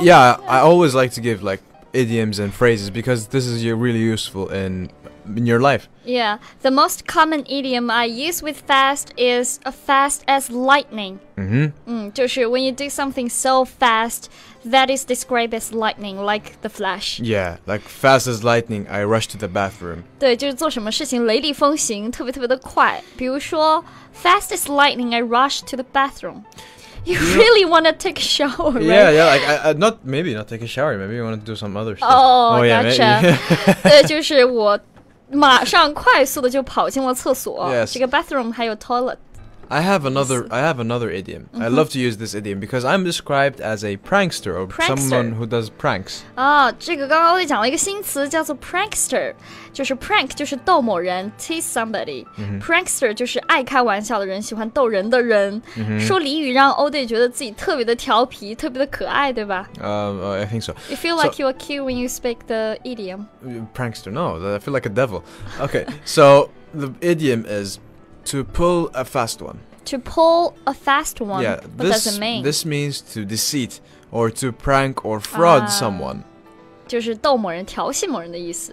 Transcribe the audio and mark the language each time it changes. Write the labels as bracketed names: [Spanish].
[English] Yeah, I always like to give like idioms and phrases because this is really useful in your life. Yeah, the most common idiom I use with fast is a fast as lightning. Mm-hmm. Mm, 就是 when you do something so fast, that is described as lightning, like the flash. Yeah, like fast as lightning, I rush to the bathroom. [Chinese] 对，就是做什么事情雷厉风行，特别特别的快。比如说 [English] fast as lightning, I rush to the bathroom. You really want to take a shower, right? Yeah, yeah, like, maybe not take a shower, maybe you want to do some other stuff. Oh yeah, gotcha. [Chinese] 对，就是我马上快速的就跑进了厕所。 [English] Yes. [Chinese] 这个 bathroom 还有 toilet. [English] I have another idiom.、Mm-hmm. I love to use this idiom because I'm described as a prankster or prankster. Someone who does pranks. [Chinese] 啊、oh, ，这个刚刚我讲了一个新词叫做 prankster， 就是 prank 就是逗某人 [English] tease somebody.、 Mm-hmm. [Chinese] Prankster 就是爱开玩笑的人，喜欢逗人的人。 Mm-hmm. 说俚语让 Oday 觉得自己特别的调皮，特别的可爱，对吧？ [English] I think so. You feel like you're cute when you speak the idiom. Prankster, no, I feel like a devil. Okay, so the idiom is to pull a fast one. To pull a fast one, yeah, what does it mean? This means to deceit or to prank or fraud someone. [Chinese] 就是逗某人、调戏某人的意思。